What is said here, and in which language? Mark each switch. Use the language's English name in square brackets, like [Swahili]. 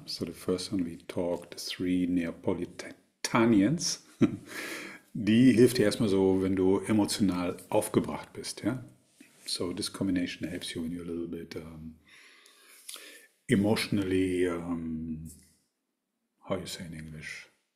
[English] So the first one we talk the three Neapolitanians. [German] Die hilft dir erstmal so, wenn du emotional aufgebracht bist. Ja? [English] So this combination helps you when you're a little bit emotionally, how you say in English?